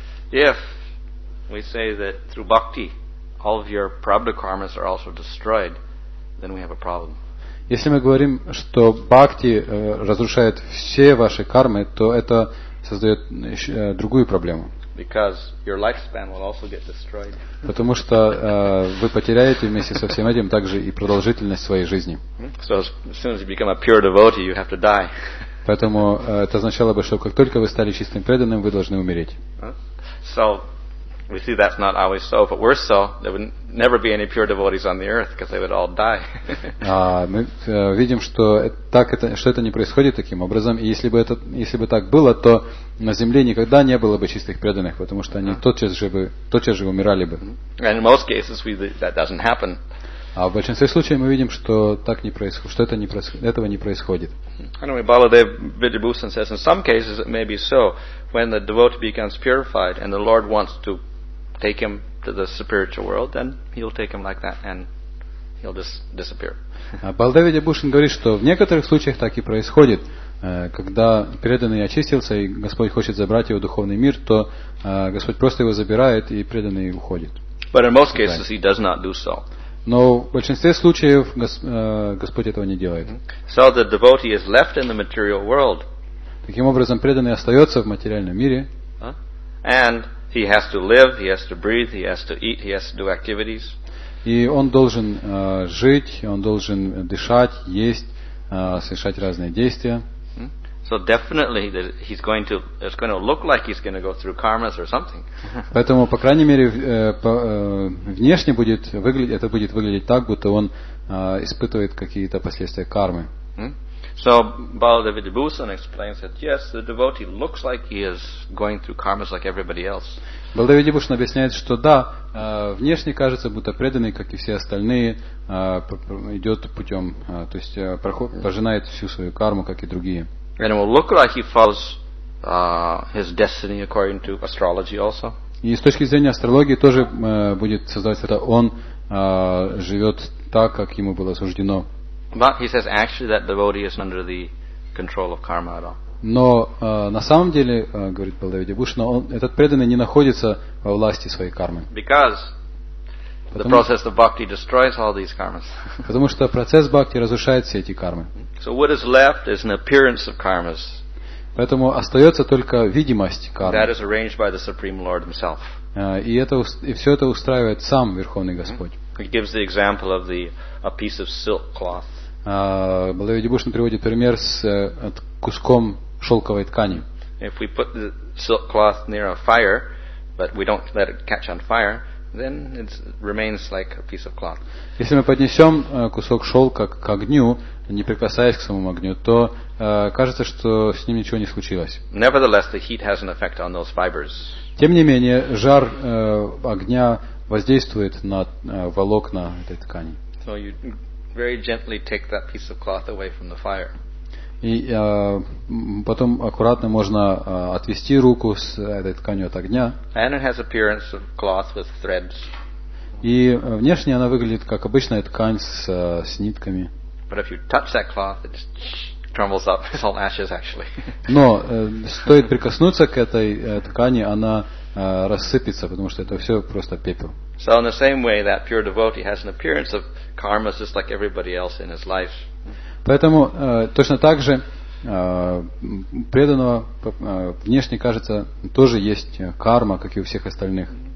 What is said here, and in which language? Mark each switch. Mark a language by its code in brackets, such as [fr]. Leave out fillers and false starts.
[en] If we say that through bhakti all of your prarabdha karmas are also destroyed, then we have a problem. [ru] Если мы говорим, что бхакти разрушает все ваши кармы, то это создает другую проблему. [en] Because your lifespan will also get destroyed. [ru] Потому что вы потеряете вместе со всем этим также и продолжительность своей жизни. [en] So as soon as you become a pure devotee, you have to die. [ru] Поэтому это означало бы, что как только вы стали чистым преданным, вы должны умереть. [en] So we see that's not always so. If it were so, there would never be any pure devotees on the earth because they would all die. [ru] Мы видим, что так это, что это не происходит таким образом. И если бы так было, то на земле никогда не было бы чистых преданных, потому что они тотчас же умирали бы. [en] And in most cases, that doesn't happen. [ru] А в большинстве случаев мы видим, что так не происходит, что это не происходит, этого не происходит. [en] Anyway, Baladev Vidyabhusan says, in some cases it may be so when the devotee becomes purified and the Lord wants to take him to the spiritual world, then he'll take him like that and he'll just disappear. [ru] Baladev Vidyabhusan говорит, что в некоторых случаях так и происходит, когда преданный очистился и Господь хочет забрать его в духовный мир, то Господь просто его забирает и преданный уходит. [en] But in most cases he does not do so. [ru] Но в большинстве случаев Господь этого не делает. [en] So the devotee is left in the material world. [ru] Таким образом, преданный остается в материальном мире. [en] And he has to live, he has to breathe, he has to eat, he has to do activities. [ru] И он должен жить, он должен дышать, есть, совершать разные действия. [en] So definitely it's going to look like he's going to go through karmas or something. [ru] Поэтому, по крайней мере, внешне будет выглядеть, это будет выглядеть так, будто он испытывает какие-то последствия кармы. [en] So Baladev Vidyabhusan explains that yes, the devotee looks like he is going through karmas like everybody else. [ru] Baladev Vidyabhusan объясняет, что да, внешне кажется, будто преданный, как и все остальные, идет путем, то есть пожинает всю свою карму, как и другие. [en] And it will look like he follows his destiny according to astrology also. [ru] И с точки зрения астрологии тоже будет создаваться это. Он живет так, как ему было суждено. [en] But he says actually that devotee is under the control of karma at all. [ru] Но на самом деле, говорит Баладев Видьябхушан, этот преданный не находится во власти своей кармы. [en] Because the process of bhakti destroys all these karmas. [ru] Потому что процесс бхакти разрушает все эти кармы. [en] So what is left is an appearance of karmas. [ru] Поэтому остается только видимость кармы. [en] That is arranged by the Supreme Lord himself. [ru] И все это устраивает сам Верховный Господь. [en] He gives the example of a piece of silk cloth. [ru] Баладев Видьябхушан приводит пример с куском шелковой ткани. [en] If we put the silk cloth near a fire, but we don't let it catch on fire, then it remains like a piece of cloth. [ru] Если мы поднесем кусок шелка к огню, не прикасаясь к самому огню, то кажется, что с ним ничего не случилось. [en] Nevertheless, the heat has an effect on those fibers. [ru] Тем не менее, жар огня воздействует на волокна этой ткани. [en] So you very gently take that piece of cloth away from the fire. [ru] И потом аккуратно можно отвести руку с этой тканью от огня. [en] And it has appearance of cloth with threads. [ru] И внешне она выглядит как обычная ткань с нитками. [en] But if you touch that cloth, it just crumbles up. It's all ashes, actually. [ru] Но стоит прикоснуться к этой ткани, она рассыпется, потому что это все просто пепел. [en] So in the same way, that pure devotee has an appearance of karma just like everybody else in his life. [ru] Поэтому точно так же преданного внешне кажется тоже есть карма, как и у всех остальных.